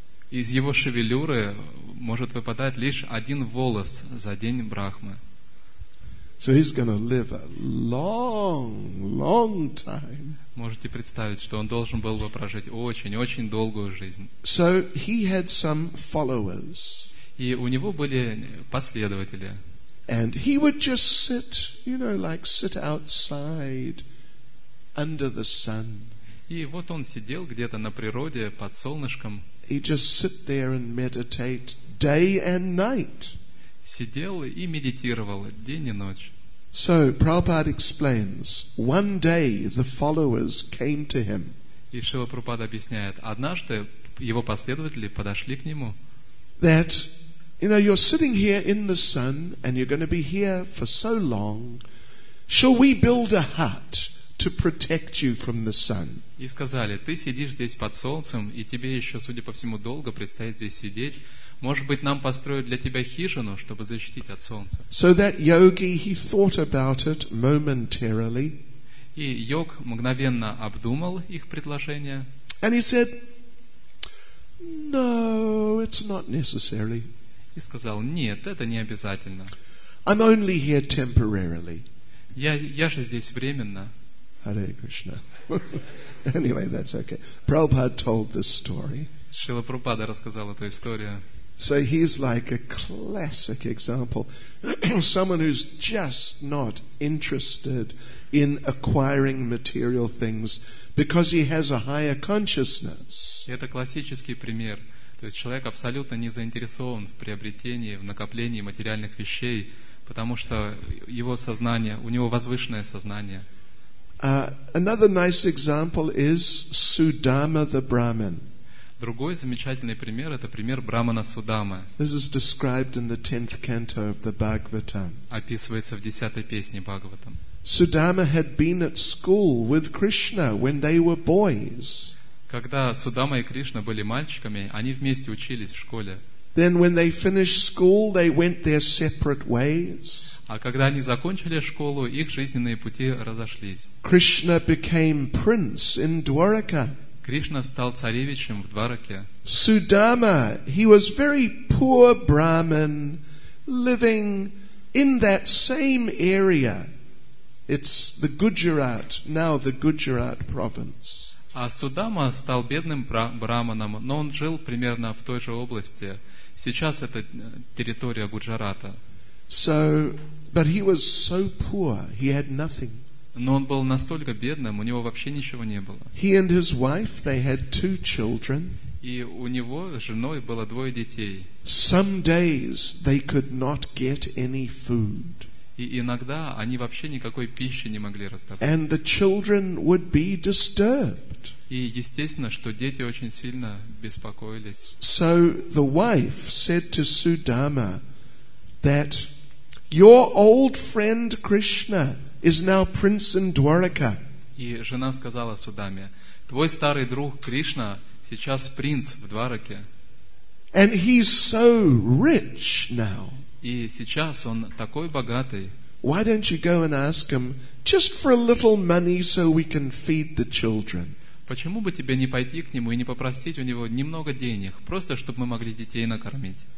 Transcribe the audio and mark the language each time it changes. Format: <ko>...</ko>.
<ru>Из его шевелюры может выпадать лишь один волос за день Брахмы.</ru> <en>So he's going to live a long, long time.</en> <ru>Можете представить, что он должен был бы прожить очень-очень долгую жизнь.</ru> <en>So he had some followers.</en> <ru>И у него были последователи.</ru> <en>And he would just sit, you know, like sit outside under the sun.</en> <ru>И вот он сидел где-то на природе под солнышком.</ru> <en>He'd just sit there and meditate day and night.</en> <ru>Сидел и медитировал день и ночь.</ru> <en>So Prabhupada explains, one day the followers came to him.</en> <ru>И Шрила Прабхупада объясняет, однажды его последователи подошли к нему.</ru> <en>That, you know, you're sitting here in the sun and you're going to be here for so long. Shall we build a hut to protect you from the sun?</en> <ru>И сказали, ты сидишь здесь под солнцем и тебе еще, судя по всему, долго предстоит здесь сидеть. Может быть, нам построят для тебя хижину, чтобы защитить от солнца.</ru> <en>So that yogi, he thought about it momentarily.</en> <ru>И йог мгновенно обдумал их предложение.</ru> <en>And he said, no, it's not necessary.</en> <ru>И сказал, нет, это не обязательно.</ru> <en>I'm only here temporarily.</en> <ru>Я же здесь временно.</ru> <sa>Hare Krishna.</sa> <en>Anyway, that's okay. Prabhupada told this story.</en> <ru>Шрила Прабхупада рассказал эту историю.</ru> <en>So he's like a classic example, someone who's just not interested in acquiring material things because he has a higher consciousness.</en> <ru>Это классический пример. То есть человек абсолютно не заинтересован в приобретении, в накоплении материальных вещей, потому что его сознание, у него возвышенное сознание.</ru> <en>Another nice example is Sudama the Brahmin.</en> <ru>Другой замечательный пример — это пример Брамана Судамы.</ru> <en>This is described in the 10th canto of the Bhagavatam.</en> <ru>Описывается в 10-й песне Бхагаватам.</ru> <en>Sudama had been at school with Krishna when they were boys.</en> <ru>Когда Судама и Кришна были мальчиками, они вместе учились в школе.</ru> <en>Then when they finished school, they went their separate ways.</en> <ru>А когда они закончили школу, их жизненные пути разошлись.</ru> <en>Krishna became prince in Dwaraka.</en> <ru>Кришна стал царевичем в Двараке.</ru> <en>Sudama, he was very poor Brahmin, living in that same area. It's the Gujarat, now the Gujarat province.</en> <ru>А Судама стал бедным Брахманом, но он жил примерно в той же области. Сейчас это территория Гуджарата.</ru> <en>So, but he was so poor, he had nothing.</en> <ru>Но он был настолько бедным, у него вообще ничего не было.</ru> <en>He and his wife, they had two children.</en> <ru>И у него с женой было двое детей.</ru> <en>Some days they could not get any food.</en> <ru>И иногда они вообще никакой пищи не могли раздобыть.</ru> <en>And the children would be disturbed.</en> <ru>И естественно, что дети очень сильно беспокоились.</ru> <en>So the wife said to Sudama that your old friend Krishna is now prince in Dwaraka.</en> <ru>И жена сказала Судаме, твой старый друг Кришна сейчас принц в Двараке.</ru> <en>And he's so rich now.</en> <ru>И сейчас он такой богатый.</ru> <en>Why don't you go and ask him just for a little money so we can feed the children?</en> <ru>Почему бы тебе не пойти к нему и не попросить у него немного денег, просто чтобы мы могли детей накормить?</ru>